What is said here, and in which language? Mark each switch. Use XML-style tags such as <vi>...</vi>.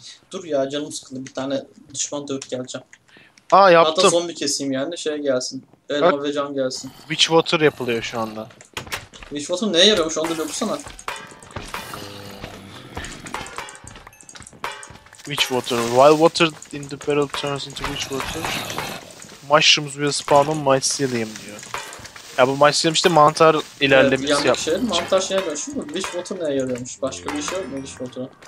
<tr>Dur ya canım sıkıldı. Bir tane düşman dövüp geleceğim. Aa yaptım. Hatta zombi keseyim yani. Şey gelsin. Elma ve cam gelsin. Witchwater yapılıyor şu anda. Witchwater neye yarıyormuş onu da yapsana. Witchwater.</tr> <en>Wild water in the barrel turns into witchwater. Mushrooms will spawn on mycelium</en> <tr>diyor. Ya bu mycelium işte mantar ilerlemesi evet, yapmış. Şey, mantar şeye dönüşüyor. Witchwater neye yarıyormuş? Başka bir şey yok mu witchwater'a?</tr>